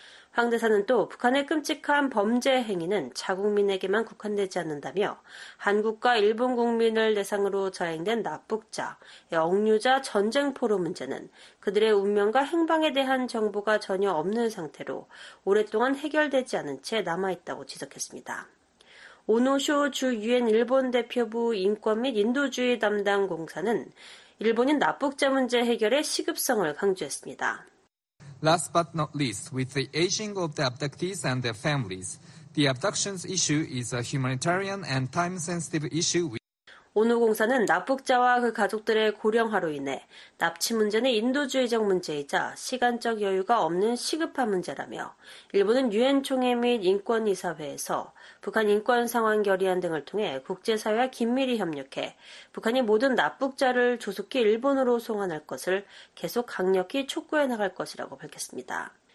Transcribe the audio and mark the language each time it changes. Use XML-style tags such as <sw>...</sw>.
<ko>황 대사는 또 북한의 끔찍한 범죄 행위는 자국민에게만 국한되지 않는다며 한국과 일본 국민을 대상으로 저행된 납북자, 억류자, 전쟁포로 문제는 그들의 운명과 행방에 대한 정보가 전혀 없는 상태로 오랫동안 해결되지 않은 채 남아있다고 지적했습니다. 오노쇼 주 유엔 일본 대표부 인권 및 인도주의 담당 공사는 일본인 납북자 문제 해결의 시급성을 강조했습니다.</ko> <en>Last but not least, with the aging of the abductees and their families, the abductions issue is a humanitarian and time-sensitive issue.</en> <ko>오노공사는 납북자와 그 가족들의 고령화로 인해 납치 문제는 인도주의적 문제이자 시간적 여유가 없는 시급한 문제라며 일본은 유엔총회 및 인권이사회에서 북한 인권상황 결의안 등을 통해 국제사회와 긴밀히 협력해 북한이 모든 납북자를 조속히 일본으로 송환할 것을 계속 강력히 촉구해 나갈 것이라고 밝혔습니다.</ko>